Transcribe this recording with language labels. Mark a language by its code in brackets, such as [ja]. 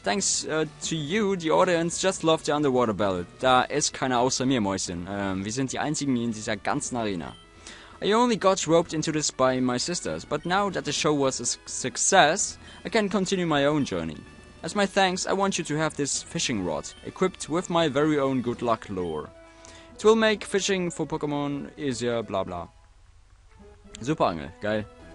[en] Thanks to you, the audience just loved the underwater ballad. [de] Da ist keiner außer mir, Mäuschen. Wir sind die einzigen in dieser ganzen Arena. [en] I only got roped into this by my sisters, but now that the show was a success, I can continue my own journey. As my thanks, I want you to have this fishing rod, equipped with my very own good luck lore. It will make fishing for Pokémon easier, blah blah. [de] Super Angel, geil.